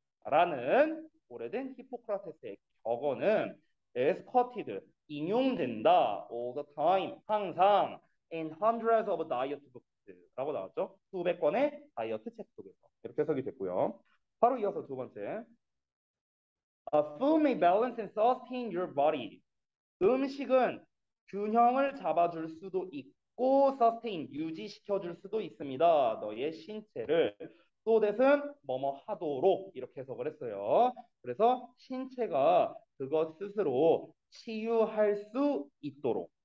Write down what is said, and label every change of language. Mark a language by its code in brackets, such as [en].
[ko] 라는 오래된 히포크라테스의 격언은 에스커티드 인용된다 [en] all the time [ko] 항상 [en] in hundreds of diet books [ko] 라고 나왔죠. 수백 권의 다이어트 책 속에서 이렇게 해석이 됐고요. 바로 이어서 두 번째. [en] A food may balance and sustain your body. [ko] 음식은 균형을 잡아줄 수도 있고 sustain 유지시켜줄 수도 있습니다. 너의 신체를 또 대신 뭐뭐 하도록 이렇게 해석을 했어요. 그래서 신체가 그것 스스로 치유할 수 있도록.